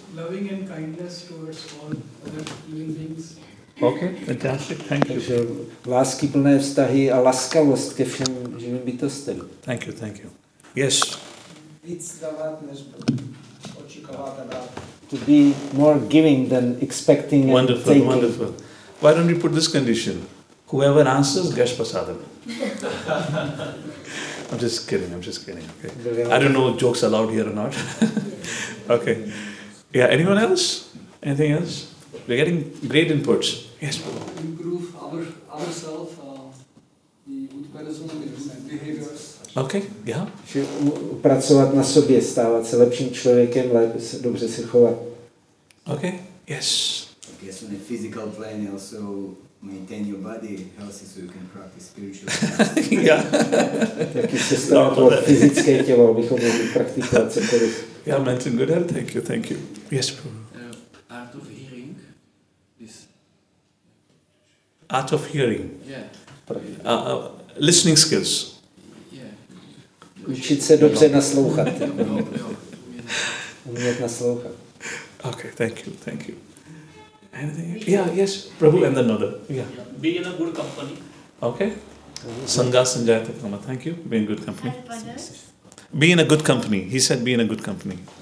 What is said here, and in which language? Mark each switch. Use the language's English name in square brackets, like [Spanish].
[English] Loving and kindness towards all other human beings. Okay, fantastic, thank you. [Czech] Takže lásky plné vztahy a laskavost ke všem živým bytostem. [English] Thank you. Yes. [Czech] Víc dávat než očekávat a dát. [English] To be more giving than expecting and wonderful, taking. Wonderful. Why don't we put this condition? Whoever answers, gets prasadam. I'm just kidding. Okay. I don't know if jokes are allowed here or not. Okay. Yeah, anyone else? Anything else? We're getting great inputs. Yes, Improve ourselves Okay, yeah. [Czech] Že pracovat na sobě, stávat se lepším člověkem, lépe se, dobře se chovat. [English] Okay, yes. Yes, on a physical plane also maintain your body healthy so you can practice spiritual. Yeah. [Czech] Taky se starat o fyzické tělo, abychom mohli praktikovat cokoliv. [English] Yeah, mental good health, thank you, thank you. Yes, Prabhu. Art of hearing. Yeah. Listening skills. Yeah. [Czech] Učit se dobře naslouchat. Umět naslouchat. [English] Okay, thank you, thank you. Anything? Yeah, yes, Prabhu and another. Yeah. Be in a good company. Okay. Sangha Sanjayata Kama, thank you. Be in good company. Be in a good company. He said be in a good company.